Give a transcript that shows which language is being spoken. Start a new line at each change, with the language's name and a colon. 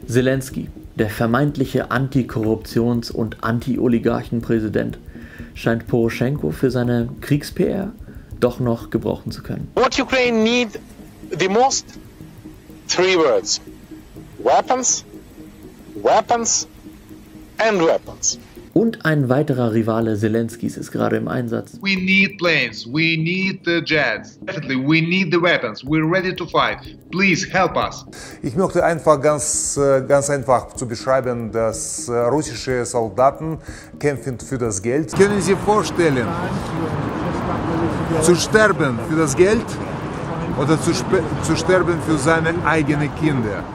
German: Selenskyj, der vermeintliche Antikorruptions- und Anti-Oligarchen-Präsident, scheint Poroschenko für seine Kriegs-PR doch noch gebrauchen zu können.
English: What Ukraine need the most? Three words. Weapons, weapons and weapons.
German: Und ein weiterer Rivale Selenskyjs ist gerade im Einsatz.
English: We need planes, we need the jets, definitely, we need the weapons, we're ready to fight, please help us.
German: Ich möchte einfach ganz einfach zu beschreiben, dass russische Soldaten kämpfen für das Geld. Können Sie sich vorstellen, zu sterben für das Geld oder zu sterben für seine eigenen Kinder?